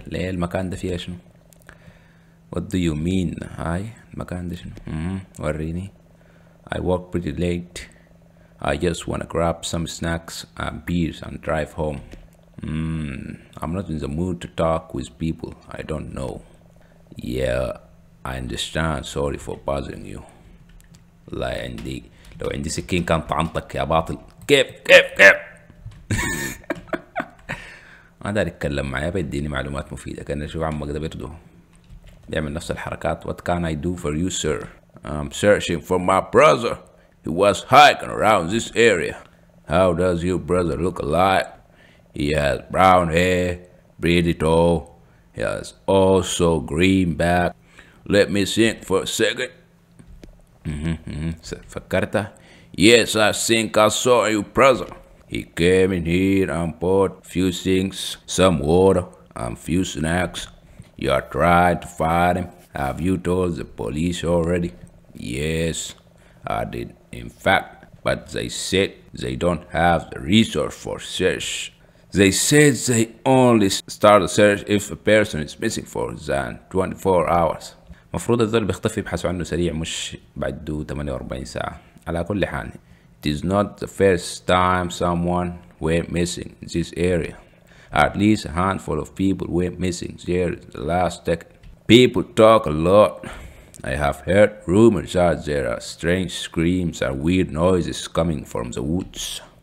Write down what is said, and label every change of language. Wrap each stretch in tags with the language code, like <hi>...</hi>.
<ar>ليه المكان ده فيها شنو؟</ar> <en>What do you mean؟</en> <ar>هاي المكان ده شنو؟ وريني.</ar> <en>I work pretty late. I just wanna grab some snacks and beers and drive home. I'm not in the mood to talk with people I don't know. Yeah. I understand. Sorry for bothering you.</en> <ar>لا عندي، لو عندي سكين كان طعنتك يا باطل. كيف. ما داري اتكلم معايا، بيديني معلومات مفيدة. كان اشوف عمك ده بيرده بيعمل نفس الحركات.</ar> <en>What can I do for you sir? I'm searching for my brother. He was hiking around this area. How does your brother look like? He has brown hair, pretty tall. He has also green back. Let me think for a second.</en> <ar>فكرته.</ar> <en>Yes, I think I saw your brother. He came in here and bought a few things, some water and a few snacks. You are trying to find him. Have you told the police already? Yes, I did. In fact, but they said they don't have the resource for search. They said they only start a search if a person is missing for than 24 hours.</en> <ar>المفروض الذول بيختفي يبحثوا عنه سريع، مش بعده 48 ساعة. على كل حال،</ar> <en>It is not the first time someone went missing in this area. At least a handful of people went missing there the last decade. People talk a lot. I have heard rumors that there are strange screams and weird noises coming from the woods.</en>